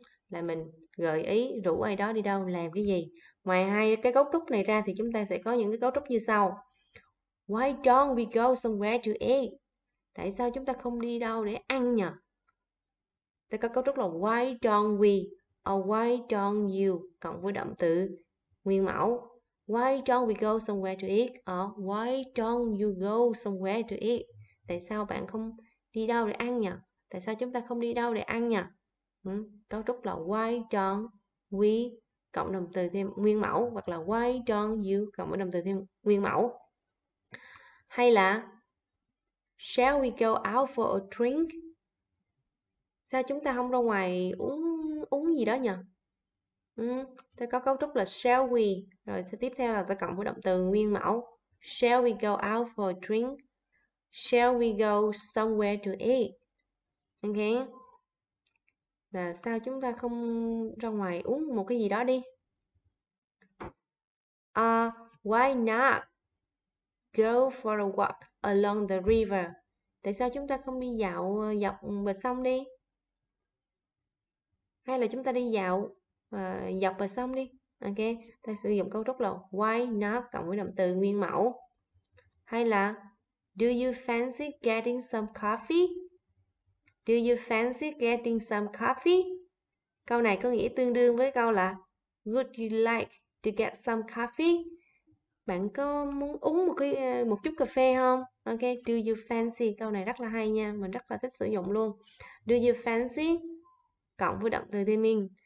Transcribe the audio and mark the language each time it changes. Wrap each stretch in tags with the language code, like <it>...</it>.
<vi>Là mình gợi ý rủ ai đó đi đâu làm cái gì. Ngoài hai cái cấu trúc này ra thì chúng ta sẽ có những cái cấu trúc như sau.</vi> <en>Why don't we go somewhere to eat?</en> <vi>Tại sao chúng ta không đi đâu để ăn nhỉ? Ta có cấu trúc là why don't we, or why don't you cộng với động từ nguyên mẫu.</vi> <en>Why don't we go somewhere to eat, or why don't you go somewhere to eat?</en> <vi>Tại sao bạn không đi đâu để ăn nhỉ? Tại sao chúng ta không đi đâu để ăn nhỉ? Cấu trúc là why don't we cộng động từ thêm nguyên mẫu, hoặc là why don't you cộng với động từ thêm nguyên mẫu. Hay là</vi> <en>shall we go out for a drink?</en> <vi>Sao chúng ta không ra ngoài uống gì đó nhỉ? Ta có cấu trúc là shall we, rồi tiếp theo là ta cộng với động từ nguyên mẫu.</vi> <en>Shall we go out for a drink? Shall we go somewhere to eat? Ok.</en> <vi>Là sao chúng ta không ra ngoài uống một cái gì đó đi?</vi> <en>Why not go for a walk along the river?</en> <vi>Tại sao chúng ta không đi dạo dọc bờ sông đi? Hay là chúng ta đi dạo dọc bờ sông đi? Ok, ta sử dụng cấu trúc là why not cộng với động từ nguyên mẫu. Hay là</vi> <en>do you fancy getting some coffee? Do you fancy getting some coffee?</en> <vi>Câu này có nghĩa tương đương với câu là</vi> <en>would you like to get some coffee?</en> <vi>Bạn có muốn uống một chút cà phê không? Ok, do you fancy, câu này rất là hay nha, mình rất là thích sử dụng luôn. Do you fancy cộng với động từ thêm in.</vi>